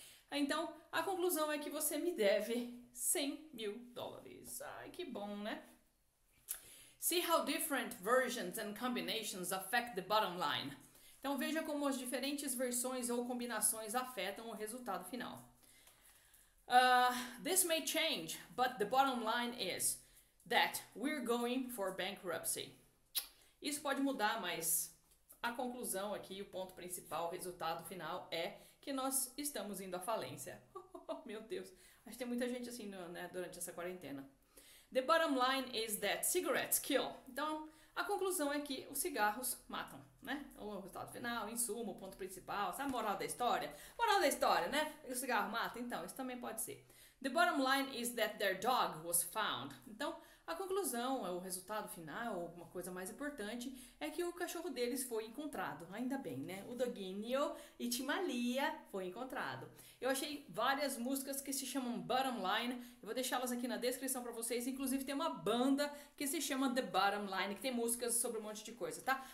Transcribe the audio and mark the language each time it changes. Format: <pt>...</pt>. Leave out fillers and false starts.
<pt>Então, a conclusão é que você me deve $100,000. Ai, que bom, né?</pt> <en>See how different versions and combinations affect the bottom line.</en> <pt>Então, veja como as diferentes versões ou combinações afetam o resultado final.</pt> <en>This may change, but the bottom line is that we're going for bankruptcy.</en> <pt>Isso pode mudar, mas a conclusão aqui, o ponto principal, o resultado final é que nós estamos indo à falência. Meu Deus, acho que tem muita gente assim, né, durante essa quarentena.</pt> <en>The bottom line is that cigarettes kill.</en> <pt>Então, a conclusão é que os cigarros matam, né? O resultado final, o insumo, o ponto principal, sabe a moral da história? Moral da história, né? O cigarro mata? Então, isso também pode ser.</pt> <en>The bottom line is that their dog was found.</en> <pt>Então, a conclusão, o resultado final, ou alguma coisa mais importante, é que o cachorro deles foi encontrado. Ainda bem, né? O doguinho Itimalia foi encontrado. Eu achei várias músicas que se chamam Bottom Line. Eu vou deixá-las aqui na descrição pra vocês. Inclusive, tem uma banda que se chama The Bottom Line, que tem músicas sobre um monte de coisa, tá?</pt>